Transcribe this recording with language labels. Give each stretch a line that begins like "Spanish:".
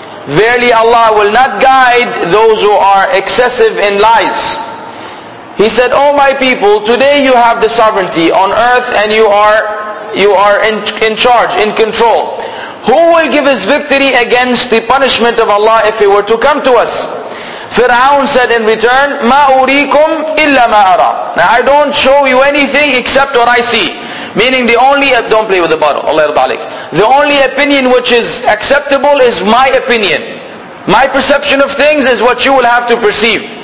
English: Verily Allah will not guide those who are excessive in lies. He said, oh my people, today you have the sovereignty on earth and you are in charge, in control. Who will give his victory against the punishment of Allah if he were to come to us? Fir'aun said in return,
Arabic: مَا أُرِيكُمْ إِلَّا مَا أَرَى.
English: Now I don't show you anything except what I see. Meaning don't play with the bottle, Allah irda alayk. The only opinion which is acceptable is my opinion. My perception of things is what you will have to perceive.